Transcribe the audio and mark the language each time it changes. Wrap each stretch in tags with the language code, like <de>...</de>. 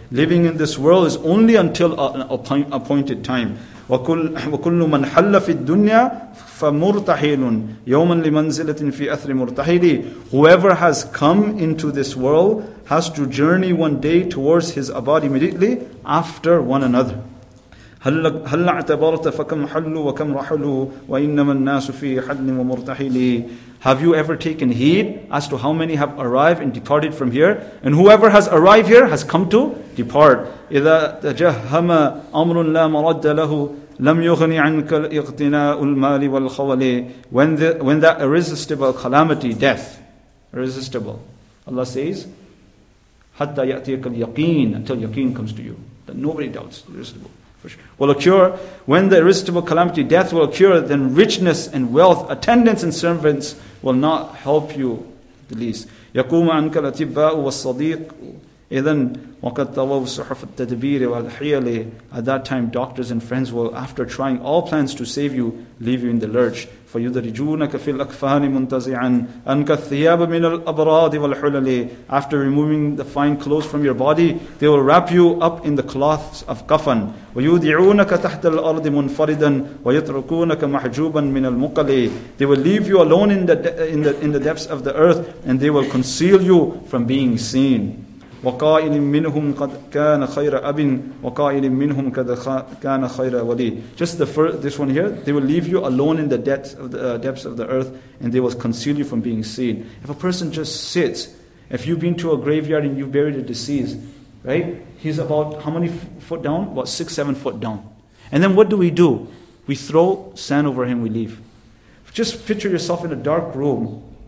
<en>Living in this world is only until an appointed time.</en> <ar>وَكُلُّ مَنْ حَلَّ فِي الدُّنْيَا فَمُرْتَحِيلٌ يَوْمًا لِمَنْزِلَةٍ فِي أَثْرِ مُرْتَحِيلِ.</ar> <en>Whoever has come into this world has to journey one day towards his abode immediately after one another.</en> <ar>هل اعتبرت فكم حلوا وكم رحلوا وإنما الناس في حل ومرتحل.</ar> <en>Have you ever taken heed as to how many have arrived and departed from here? And whoever has arrived here has come to depart.</en> <ar>إذا تجهم أمر لا مرد له لم يغني عنك الاقتناء المال والخولي.</ar> <en>When that irresistible calamity, death, irresistible, Allah says,</en> <ar>حتى يأتيك اليقين,</ar> <en>until yaqeen comes to you, that nobody doubts, irresistible, will occur, when the irresistible calamity death will occur, then richness and wealth, attendance and servants will not help you the least.</en> <ar>يقوم عنك الأطباء والصديق إذن وقد طووا صحف التدبير والحيل.</ar> <en>At that time, doctors and friends will, after trying all plans to save you, leave you in the lurch.</en> <ar>فيدرجونك في الأكفان منتزعا أنك الثياب من الأبراد والحلل.</ar> <en>After removing the fine clothes from your body, they will wrap you up in the cloths of kafan.</en> <ar>ويودعونك تحت الأرض منفردا ويتركونك محجوبا من المقل.</ar> <en>They will leave you alone in the depths of the earth, and they will conceal you from being seen.</en> <ar>وقائل منهم قد كان خير أب وقائل منهم قد كان خير ولي.</ar> <en>Just the first, this one here, they will leave you alone in the depths of the earth, and they will conceal you from being seen. If a person just sits If you've been to a graveyard and you've buried a deceased, right? He's about how many foot down? About 6-7 foot down. And then what do? We throw sand over him, we leave. Just picture yourself in a dark room.</en>